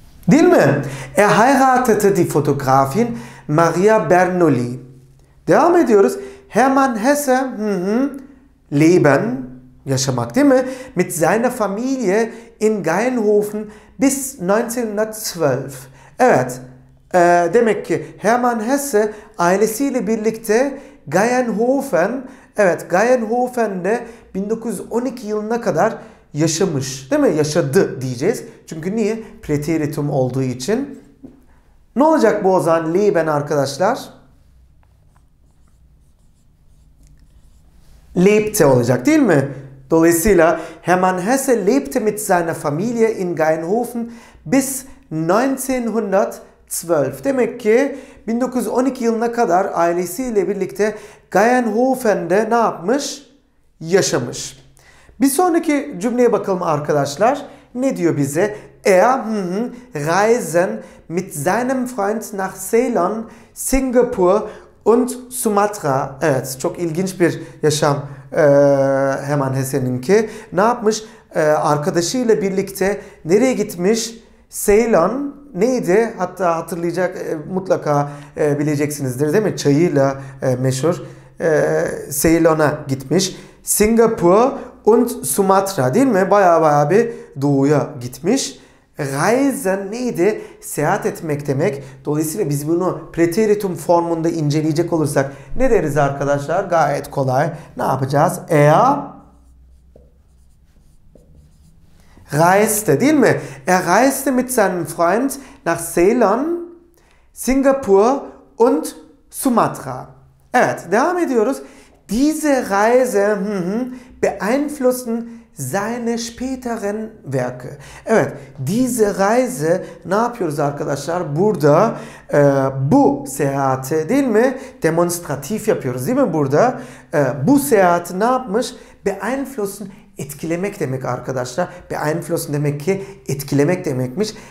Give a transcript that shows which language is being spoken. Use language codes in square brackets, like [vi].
[tr] Değil mi? [de] Heiratete die Fotografin Maria Bernoulli. [tr] Devam ediyoruz. Hermann Hesse leben, yaşamak değil mi? [de] Mit seiner Familie in Geinhofen bis 1912. [tr] Evet. Demek ki Hermann Hesse ailesiyle birlikte Geinhofen, evet, Geinhofen'de 1912 yılına kadar yaşamış, değil mi? Yaşadı diyeceğiz. Çünkü niye? Preteritum olduğu için. Ne olacak bu o zaman leben arkadaşlar? Lebte olacak, değil mi? [de] Dolayısıyla Hermann Hesse lebte mit seiner Familie in Geinhofen bis 1912. [tr] Demek ki 1912 yılına kadar ailesiyle birlikte Geinhofen'de ne yapmış? Yaşamış. Bir sonraki cümleye bakalım arkadaşlar. Ne diyor bize? [de] Reisen mit seinem Freund nach Ceylon, Singapur und Sumatra. [tr] Evet, çok ilginç bir yaşam Hermann Hesse'ninki. Ne yapmış? Arkadaşıyla birlikte nereye gitmiş? Ceylon neydi? Hatta hatırlayacak mutlaka bileceksinizdir değil mi? Çayıyla meşhur. Ceylon'a gitmiş. Singapur und Sumatra, değil mi? Baya baya bir doğuya gitmiş. Reisen neydi? Seyahat etmek demek. Dolayısıyla biz bunu preteritum formunda inceleyecek olursak ne deriz arkadaşlar? Gayet kolay. Ne yapacağız? Reiste, değil mi? [de] Reiste mit seinem Freund nach Ceylon, Singapur und Sumatra. [tr] Evet, devam ediyoruz. [de] Diese Reise beeinflussen seine späteren Werke. [tr] Evet, [de] diese Reise, [tr] ne yapıyoruz arkadaşlar? Burada bu seyahati, değil mi? Demonstratif yapıyoruz, değil mi burada? Bu seyahati ne yapmış? Beeinflussen, etkilemek demek arkadaşlar. Beeinflussen demek ki etkilemek demekmiş.